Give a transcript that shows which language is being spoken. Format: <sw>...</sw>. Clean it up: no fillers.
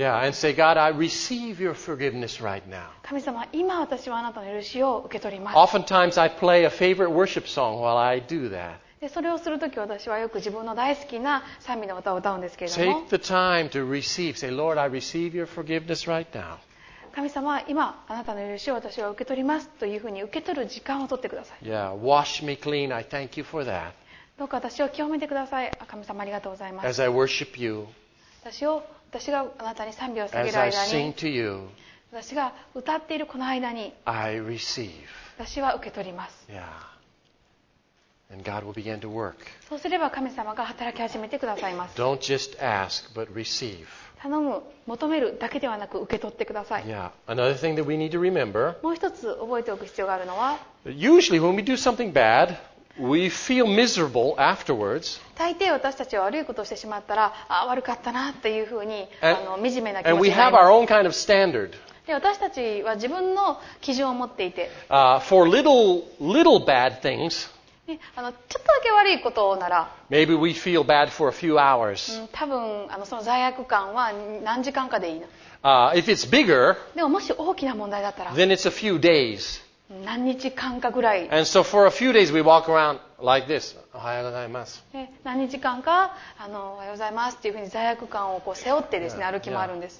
<en>Yeah, and say, God, I receive your forgiveness right now.</en> <ja>神様、今私はあなたの許しを受け取ります。</ja> <en>Oftentimes I play a favorite worship song while I do that.</en> <ja>でそれをするとき私はよく自分の大好きな賛美の歌を歌うんですけれども、</ja> <en>Take the time to receive. Say, Lord, I receive your forgiveness right now.</en> <ja>神様、今あなたの許しを私は受け取りますというふうに受け取る時間を取ってください。</ja> <en>Yeah, wash me clean. I thank you for that.</en> <ja>どうか私を清めてください。神様、ありがとうございます。</ja> <en>As I worship you,</en> <ja>私があなたに賛美を捧げる間に、</ja> <en>As I sing to you,</en> <ja>私が歌っているこの間に、</ja> <en>I receive.</en> <ja>私は受け取ります。</ja> <en>Yeah. And God will begin to work.</en> <ja>そうすれば神様が働き始めてくださいます。</ja> <en>Don't just ask, but receive.</en> <ja>頼む、求めるだけではなく受け取ってください。</ja> <en>Yeah. Another thing that we need to remember,</en> <ja>もう一つ覚えておく必要があるのは、</ja> <en>Usually when we do something bad, we feel miserable afterwards.</en> <ja>大抵私たちは悪いことをしてしまったら、ああ悪かったなというふうに惨めな気持ちになります。</ja> <en>And we have our own kind of standard.</en> <ja>私たちは自分の基準を持っていて、</ja> <en>for little bad things,</en> <ja>ちょっとだけ悪いことなら、</ja> <en>Maybe we feel bad for a few hours.</en> <ja>多分その罪悪感は何時間かでいいの。</ja> <en>If it's bigger,</en> <ja>でももし大きな問題だったら、</ja> <en>then it's a few days.</en> <ja>何日間かぐらい。</ja> <en>And so for a few days we walk around like this.</en> <ja>おはようございます。何日間かおはようございますっていうふうに罪悪感をこう背負ってですね、歩き回るんです。</ja>